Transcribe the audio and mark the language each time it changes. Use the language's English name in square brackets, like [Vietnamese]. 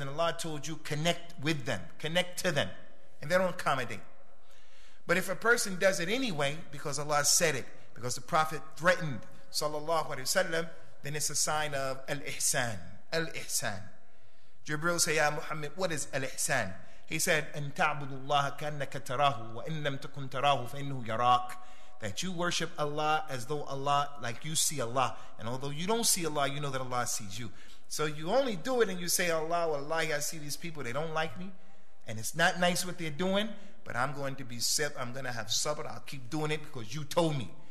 [English] And Allah told you, connect with them. Connect to them. And they don't accommodate. But if a person does it anyway, because Allah said it, because the Prophet threatened sallallahu alayhi wa sallam, then it's a sign of al-ihsan. Al-ihsan. Jibril said, Ya Muhammad, what is al-ihsan? He said, [Arabic] أَن تَعْبُدُ اللَّهَ كَأَنَّكَ تَرَاهُ وَإِن لَمْ تَكُنْ تَرَاهُ فَإِنَّهُ يَرَاكَ. [English] That you worship Allah as though Allah, like you see Allah. And although you don't see Allah, you know that Allah sees you. So you only do it and you say, Allah, wallahi, I see these people, they don't like me. And it's not nice what they're doing, but I'm going to be sabr, I'm going to have sabr, I'll keep doing it because you told me.